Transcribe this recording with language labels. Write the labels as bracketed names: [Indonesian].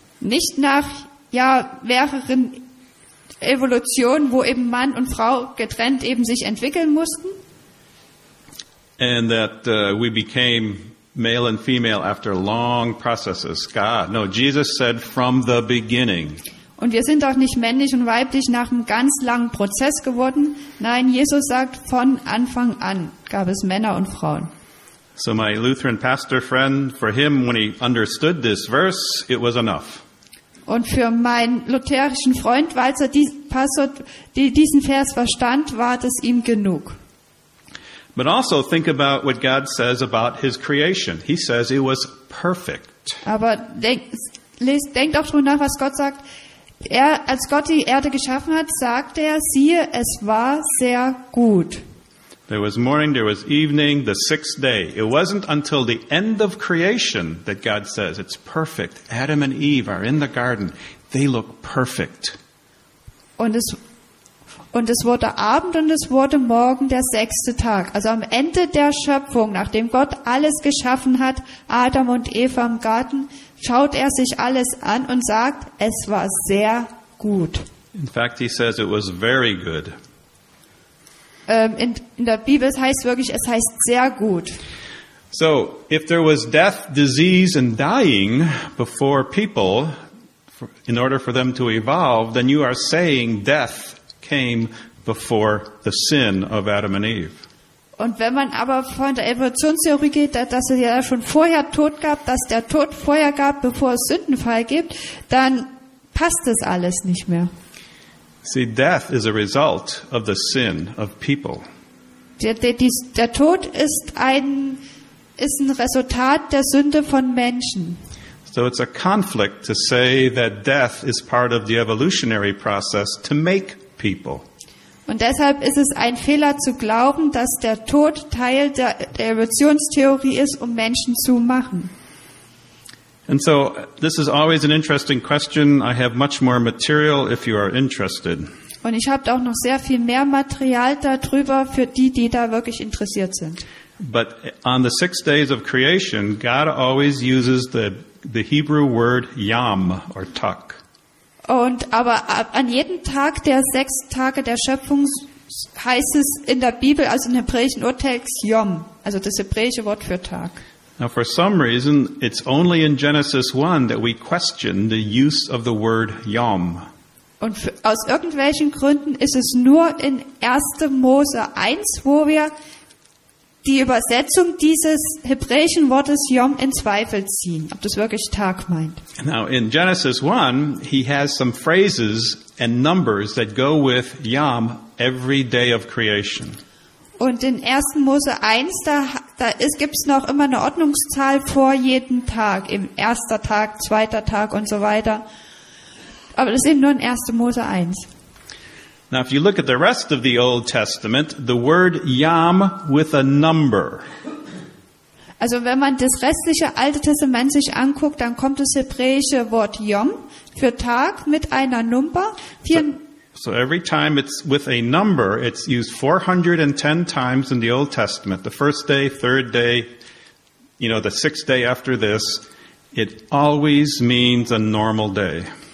[German] Nicht nach mehreren Evolutionen, wo eben Mann und Frau getrennt eben sich entwickeln mussten. [English] And that we became male and female after long processes. Jesus said from the beginning. [German] Und wir sind auch nicht männlich und weiblich nach einem ganz langen Prozess geworden. Nein, Jesus sagt, von Anfang an gab es Männer und Frauen. [English] So my Lutheran pastor friend, for him, when he understood this verse, it was enough. [German] Und für meinen lutherischen Freund, als er diesen Vers verstand, war das ihm genug. [English] But also think about what God says about his creation. He says it was perfect. [German] Aber denkt auch drüber nach, was Gott sagt. Er, als Gott die Erde geschaffen hat, sagte er, siehe, es war sehr gut. [English] There was morning, there was evening, the sixth day. It wasn't until the end of creation that God says, it's perfect. Adam and Eve are in the garden. They look perfect. [German] Und es wurde Abend und es wurde Morgen, der sechste Tag. Also am Ende der Schöpfung, nachdem Gott alles geschaffen hat, Adam und Eva im Garten, schaut er sich alles an und sagt, es war sehr gut. [English] In fact, he says it was very good. [German] In der Bibel heißt es wirklich, es heißt sehr gut. [English] So, if there was death, disease, and dying before people, in order for them to evolve, then you are saying death came before the sin of Adam and Eve. [German] Und wenn man aber von der Evolutionstheorie geht, dass es ja schon vorher Tod gab, dass der Tod vorher gab, bevor es Sündenfall gibt, dann passt das alles nicht mehr. [English] See, death is a result of the sin of people. [German] Der Tod ist ein Resultat der Sünde von Menschen. [English] So it's a conflict to say that death is part of the evolutionary process to make people. [German] Und deshalb ist es ein Fehler zu glauben, dass der Tod Teil der Evolutionstheorie ist, um Menschen zu machen. [English] And so this is always an interesting question. I have much more material if you are interested. [German] Und ich habe auch noch sehr viel mehr Material darüber für die, die da wirklich interessiert sind. [English] But on the 6 days of creation, God always uses the Hebrew word yam or tuck. [German] Und aber an jedem Tag der 6 Tage der Schöpfung heißt es in der Bibel, also im hebräischen Urtext, yom, also das hebräische Wort für Tag. [English] Now for some reason, it's only in Genesis 1 that we question the use of the word yom. [German] Und aus irgendwelchen Gründen ist es nur in 1. Mose 1, wo wir die Übersetzung dieses hebräischen Wortes Yom in Zweifel ziehen, ob das wirklich Tag meint. [English] Now in Genesis 1, he has some phrases and numbers that go with Yom every day of creation. [German] Und in 1. Mose 1, da gibt es noch immer eine Ordnungszahl vor jedem Tag, im 1. Tag, 2. Tag und so weiter. Aber das ist eben nur in 1. Mose 1. [English] Now, if you look at the rest of the Old Testament, the word Yam with a number. [German] Also, wenn man das restliche Alte Testament sich anguckt, dann kommt das hebräische Wort Yom für Tag mit einer Nummer. [English] So every time it's with a number, it's used 410 times in the Old Testament. The first day, third day, you know, the sixth day after this, it always means a normal day.